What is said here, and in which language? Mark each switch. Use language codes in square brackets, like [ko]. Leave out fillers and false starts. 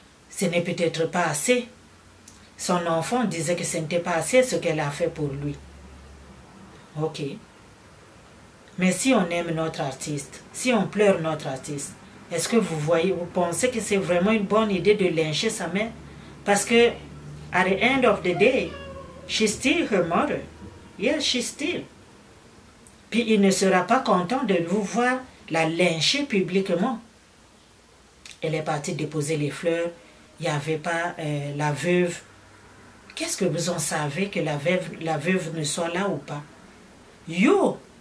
[fr] Ce n'est peut-être pas assez. Son enfant disait que ce n'était pas assez ce qu'elle a fait pour lui. Ok. Mais si on aime notre artiste, si on pleure notre artiste, est-ce que vous voyez, vous pensez que c'est vraiment une bonne idée de lyncher sa mère? Parce que, [en] at the end of the day, she's still her mother. Yes, she's still. [fr] Puis il ne sera pas content de vous voir la lyncher publiquement. Elle est partie déposer les fleurs. Il n'y avait pas la veuve Qu'est-ce que vous en savez que la veuve ne soit là ou pas? Yo!